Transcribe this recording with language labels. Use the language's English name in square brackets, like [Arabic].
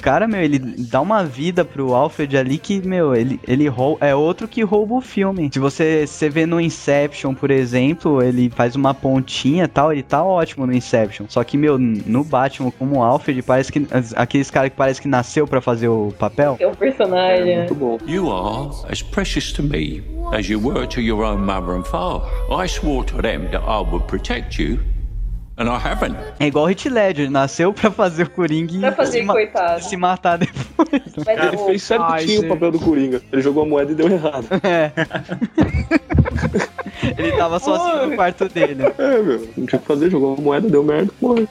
[Portuguese] O cara, meu, ele dá uma vida pro Alfred ali que, meu, ele rouba, é outro que rouba o filme. Se você vê no Inception, por exemplo, ele faz uma pontinha e tal, ele tá ótimo no Inception. Só que, meu, no Batman, como o Alfred, parece que... Aqueles caras que parece que nasceu pra fazer o papel. É um personagem. É muito bom. [English] You are as precious to me as you were to your own mother and father. I swore to them that I would protect you. And I haven't. [Portuguese] É igual o Heath Ledger, nasceu pra fazer o Coringa se matar depois. Mas ele fez certinho o papel do Coringa. Ele jogou a moeda e deu errado. É. Ele tava sozinho no quarto dele. É, meu. Não tinha o que fazer, jogou a moeda, deu merda, morreu.